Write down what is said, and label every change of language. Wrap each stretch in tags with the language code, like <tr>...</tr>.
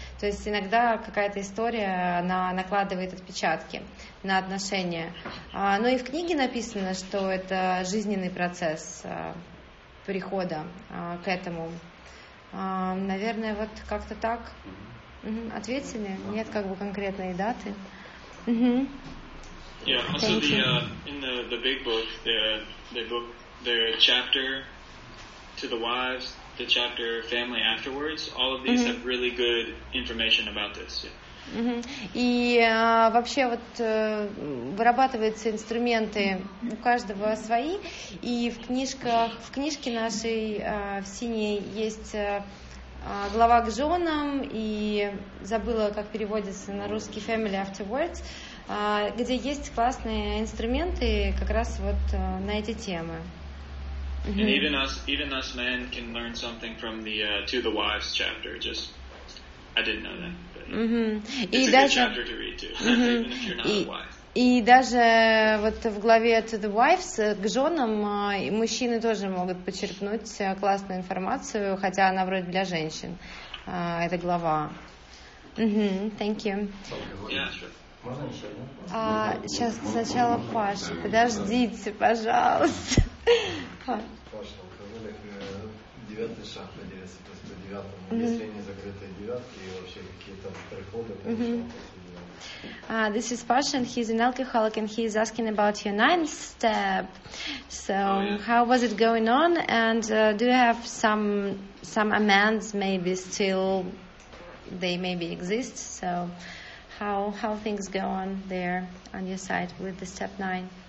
<ru>То есть иногда какая-то история, она накладывает отпечатки на отношения. Но и в книге написано, что это жизненный процесс прихода к этому. Наверное, вот как-то так. Ответили? Нет, как бы конкретной даты.</ru> <en>Yeah, also the in the big book, the chapter to the wives, the chapter family afterwards, all of these have really good information about this. Yeah.</en> <ru>И вообще вот вырабатываются инструменты у каждого свои, и в книжках, в книжке нашей в синей есть. Глава к женам, и забыла, как переводится на русский</ru> <en>«family afterwards»,</en> <ru>где есть классные инструменты как раз вот на эти темы.</ru> <en>And even us men can learn something from the «to the wives» chapter. Just, I didn't know that. It's a good chapter to read too, even if you're not a wife.</en> <ru>И даже вот в главе</ru> <en>«To the wives»</en> <ru>к женам мужчины тоже могут почерпнуть классную информацию, хотя она вроде для женщин, эта глава.</ru> <en>Thank you.</en> <ru>Можно еще одну? Сейчас сначала Паша. Подождите, пожалуйста. Паша, указали 9-й шаг на 9-й по 109-му. Если не закрытые девятки и вообще какие-то приходы, то</ru> <en>This is Pasha, and he's an alcoholic, and he's asking about your ninth step. So, how was it going on, and do you have some amends maybe still, they maybe exist, so how things go on there on your side with the step nine?</en>